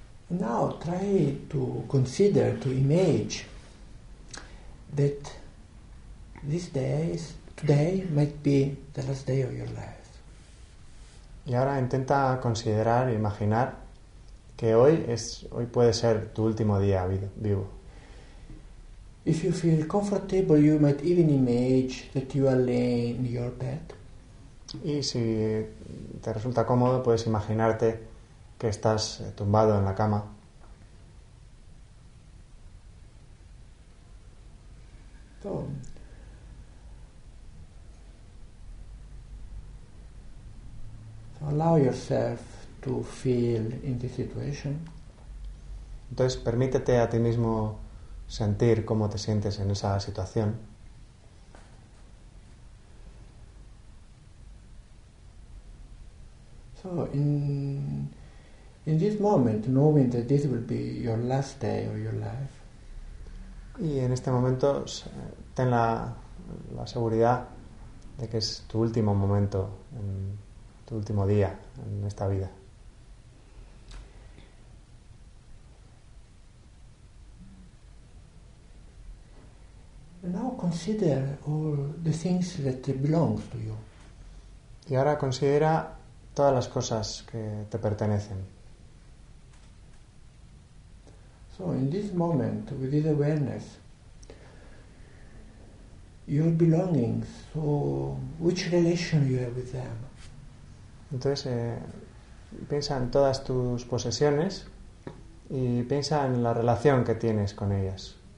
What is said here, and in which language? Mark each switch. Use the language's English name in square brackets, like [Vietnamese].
[English] Now try to consider, to image that these days, today might be the last day of your life. [Spanish] Y ahora intenta considerar, imaginar que hoy puede ser tu último día vivo. [English] If you feel comfortable, you might even image that you are laying in your bed. [Spanish] Y si te resulta cómodo, puedes imaginarte que estás tumbado en la cama. [English] So allow yourself to feel in this situation. [Spanish] Entonces, permítete a ti mismo sentir cómo te sientes en esa situación. [English] So in this moment, knowing that this will be your last day of your life. [Spanish] Y en este momento ten la seguridad de que es tu último momento, tu último día en esta vida. [English] Now consider all the things that belongs to you. [Spanish] Y ahora considera todas las cosas que te pertenecen. [English] So in this moment, with this awareness, your belongings, so which relation you have with them? [Spanish] Entonces, piensa en todas tus posesiones y piensa en la relación que tienes con ellas.